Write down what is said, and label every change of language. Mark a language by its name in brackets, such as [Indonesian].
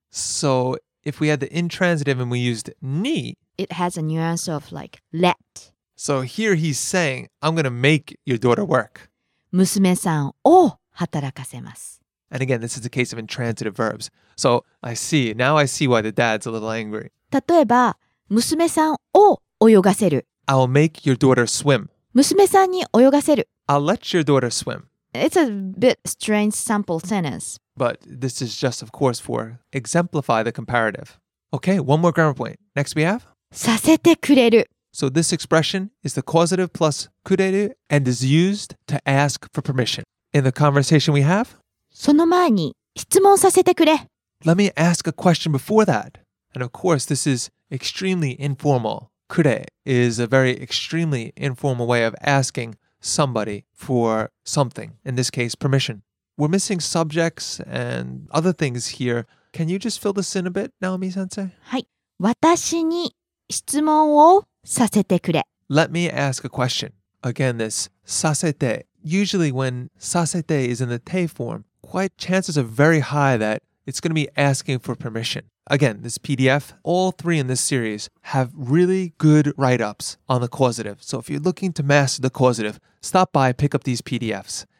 [English] So if we had the intransitive and we used ni, it has a nuance of like let. So here he's saying, I'm going to make your daughter work. [Japanese] 娘さんを働かせます. [English] And again, this is a case of intransitive verbs. So I see, now I see why the dad's a little angry. [Japanese] 例えば、娘さんを泳がせる。 [English] I'll make your daughter swim. [Japanese] 娘さんに泳がせる。 [English] I'll let your daughter swim. It's a bit strange sample sentence. But this is just, of course, for exemplify the comparative. Okay, one more grammar point. Next we have? [Japanese] させてくれる。 [English] So this expression is the causative plus くれる and is used to ask for permission. In the conversation we have? [Japanese] その前に質問させてくれ。 [English] Let me ask a question before that. And of course, this is extremely informal. Kure is a very extremely informal way of asking somebody for something, in this case, permission. We're missing subjects and other things here. Can you just fill this in a bit, Naomi-sensei? [Japanese] はい。私に質問をさせてくれ。 [English] Let me ask a question. Again, this させて. Usually when させて is in the te form, quite chances are very high that it's going to be asking for permission. Again, this PDF, all three in this series have really good write-ups on the causative. So if you're looking to master the causative, stop by, pick up these PDFs.